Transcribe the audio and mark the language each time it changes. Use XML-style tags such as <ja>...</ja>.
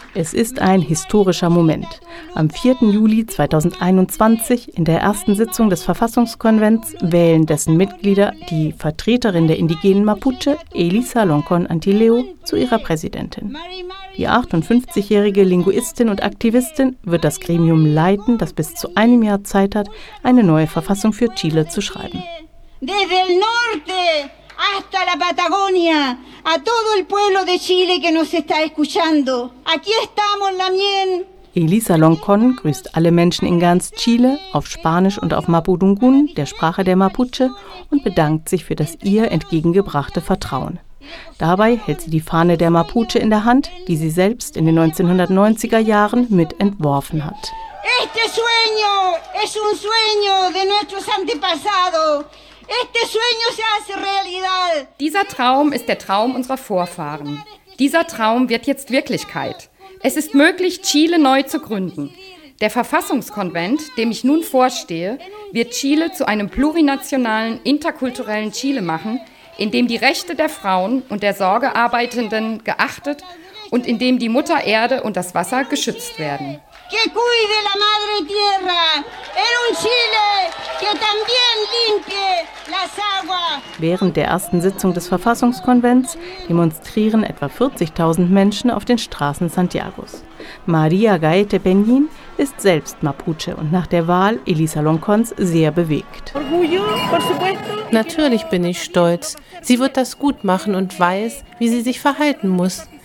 <de>Es ist ein historischer Moment. Am 4. Juli 2021 in der ersten Sitzung des Verfassungskonvents wählen dessen Mitglieder die Vertreterin der indigenen Mapuche, Elisa Loncón Antileo, zu ihrer Präsidentin. Die 58-jährige Linguistin und Aktivistin wird das Gremium leiten, das bis zu einem Jahr Zeit hat, eine neue Verfassung für Chile zu schreiben.</de> <es>Desde el norte hasta la Patagonia, a todo el pueblo de Chile que nos está escuchando. Aquí estamos, Lamien.</es> <de>Elisa Loncón grüßt alle Menschen in ganz Chile auf Spanisch und auf Mapudungun, der Sprache der Mapuche, und bedankt sich für das ihr entgegengebrachte Vertrauen. Dabei hält sie die Fahne der Mapuche in der Hand, die sie selbst in den 1990er Jahren mit entworfen hat.</de> <es>Este sueño es un sueño de nuestros antepasados. Este sueño se hace realidad.</es> <de>Dieser Traum ist der Traum unserer Vorfahren. Dieser Traum wird jetzt Wirklichkeit. Es ist möglich, Chile neu zu gründen. Der Verfassungskonvent, dem ich nun vorstehe, wird Chile zu einem plurinationalen, interkulturellen Chile machen, in dem die Rechte der Frauen und der Sorgearbeitenden geachtet und in dem die Mutter Erde und das Wasser geschützt werden.</de> <es>Que cuide la madre tierra en un Chile que también limpie las aguas.</es> <de>Während der ersten Sitzung des Verfassungskonvents demonstrieren etwa 40.000 Menschen auf den Straßen Santiagos. Maria Gaete Benjin ist selbst Mapuche und nach der Wahl Elisa Loncons sehr bewegt. Natürlich bin ich stolz. Sie wird das gut machen und weiß, wie sie sich verhalten muss.</de>